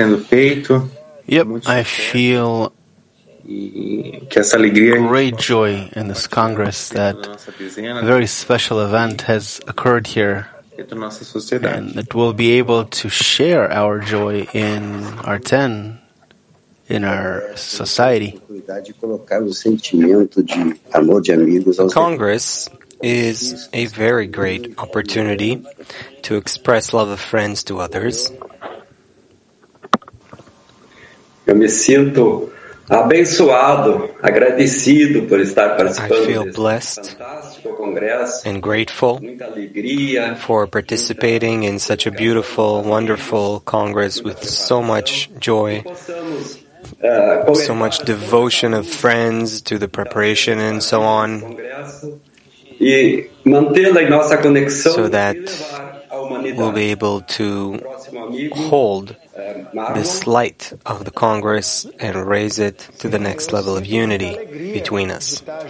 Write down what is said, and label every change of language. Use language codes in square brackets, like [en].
[en] Yep, I feel great joy in this Congress that a very special event has occurred here and that we'll be able to share our joy in our ten, in our society. The Congress is a very great opportunity to express love of friends to others. [pt] Eu me sinto abençoado, agradecido por estar participando. [en] I feel blessed and grateful for participating in such a beautiful, wonderful Congress with so much joy, so much devotion of friends to the preparation and so on, so that we'll be able to hold this light of the Congress and raise it to the next level of unity between us.